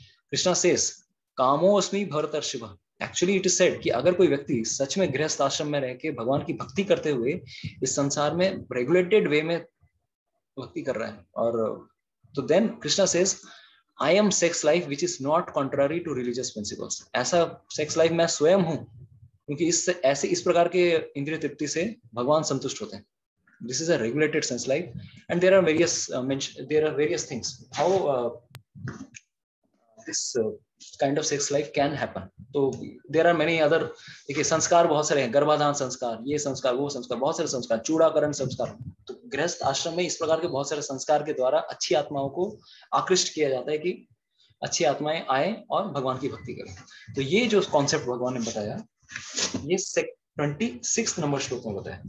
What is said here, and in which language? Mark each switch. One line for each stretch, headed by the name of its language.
Hindi: Krishna cess कामो अस्मि भरतर्षि. Actually it is said कि अगर कोई व्यक्ति सच में गृहस्थ आश्रम में रह के भगवान की भक्ति करते हुए इस संसार में रेगुलेटेड वे में भक्ति कर रहा है, और तो then Krishna cess
English: I am sex life which is not contrary to religious principles.
Hindi: ऐसा sex life मैं स्वयं हूँ, क्योंकि इस प्रकार के इंद्रिय तृप्ति से भगवान संतुष्ट होते हैं.
English: This is a regulated sex life and there are various things how this kind of sex life can happen.
Hindi: तो
English: there are many other,
Hindi: देखिए संस्कार बहुत सारे हैं, गर्भाधान संस्कार, ये संस्कार, वो संस्कार, बहुत सारे संस्कार, चूड़ाकरण संस्कार. तो गृहस्थ आश्रम में इस प्रकार के बहुत सारे संस्कार के द्वारा अच्छी आत्माओं को आकृष्ट किया जाता है कि अच्छी आत्माएं आए और भगवान की भक्ति करें. तो ये जो कॉन्सेप्ट भगवान ने बताया, ये 26 नंबर श्लोक में बताया.